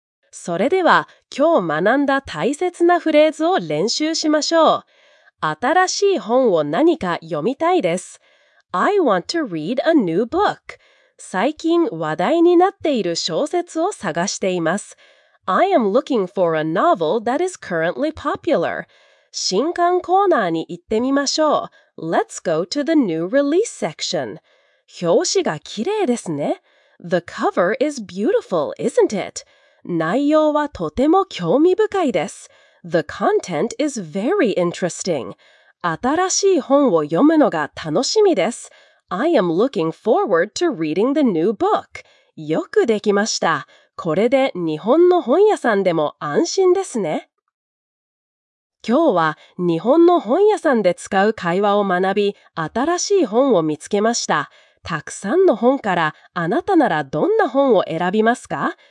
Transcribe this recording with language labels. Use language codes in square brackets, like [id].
[ja] それでは、今日学んだ大切なフレーズを練習しましょう。新しい本を何か読みたいです。 [en] I want to read a new book. [ja] 最近話題になっている小説を探しています。 [en] I am looking for a novel that is currently popular. [ja] 新刊コーナーに行ってみましょう。 [en] Let's go to the new release section. [ja] 表紙が綺麗ですね。 [en] The cover is beautiful, isn't it? [ja] 内容はとても興味深いです。 [en] The content is very interesting. [ja] 新しい本を読むのが楽しみです。 [en] I am looking forward to reading the new book. [ja] よくできました。これで日本の本屋さんでも安心ですね。今日は日本の本屋さんで使う会話を学び、新しい本を見つけました。たくさんの本からあなたならどんな本を選びますか？